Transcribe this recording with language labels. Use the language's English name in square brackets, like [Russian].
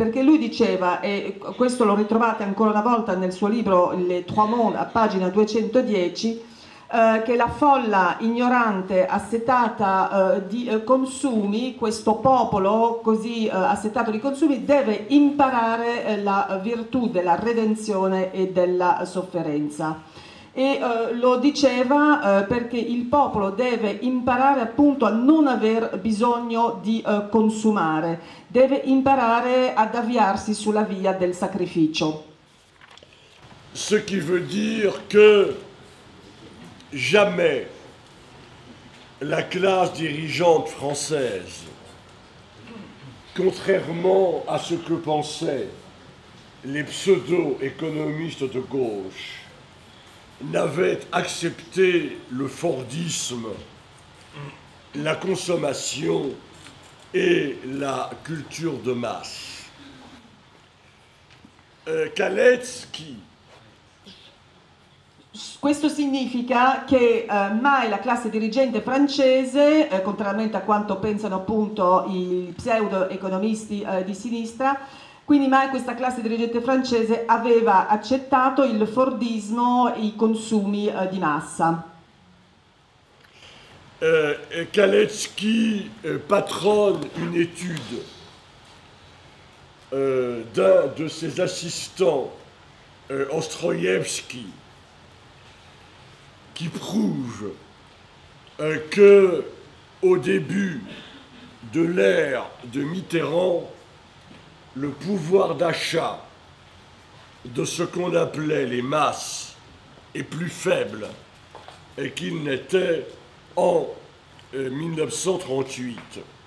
[Italian] Perché lui diceva, e questo lo ritrovate ancora una volta nel suo libro Les Trois Mondes, a pagina 210, che la folla ignorante, assetata di consumi, questo popolo così assetato di consumi, deve imparare la virtù della redenzione e della sofferenza. E lo diceva perché il popolo deve imparare appunto a non aver bisogno di consumare, deve imparare ad avviarsi sulla via del sacrificio. [French] Ce qui veut dire che jamais la classe dirigeante française, contrairement à ce que pensaient les pseudo-économistes de gauche, n'avait accepté le fordisme, la consommation et la culture de masse. Kaletsky, [Italian] Questo significa che mai la classe dirigente francese, contrariamente a quanto pensano appunto i pseudo economisti di sinistra, quindi mai questa classe dirigente francese aveva accettato il fordismo, i consumi di massa. [French] Kalecki patronne une étude d'un de ses assistants, Ostroïevski, qui prouve que au début de l'ère de Mitterrand, le pouvoir d'achat de ce qu'on appelait les masses est plus faible et qu'il n'était en 1938.